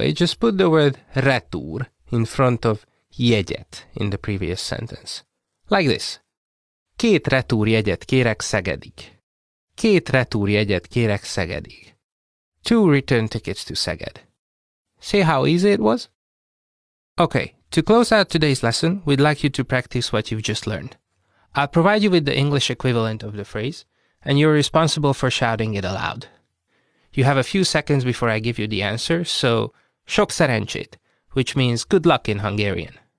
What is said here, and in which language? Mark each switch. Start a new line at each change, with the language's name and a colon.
English: I just put the word retur in front of jegyet in the previous sentence. Like this.
Hungarian: Két retur jegyet kérek Szegedig. Két retur jegyet kérek Szegedig.
English: Two return tickets to Szeged. See how easy it was? Okay, to close out today's lesson, we'd like you to practice what you've just learned. I'll provide you with the English equivalent of the phrase, and you're responsible for shouting it aloud. You have a few seconds before I give you the answer, so
Hungarian: sok szerencsét,
English: which means good luck in Hungarian.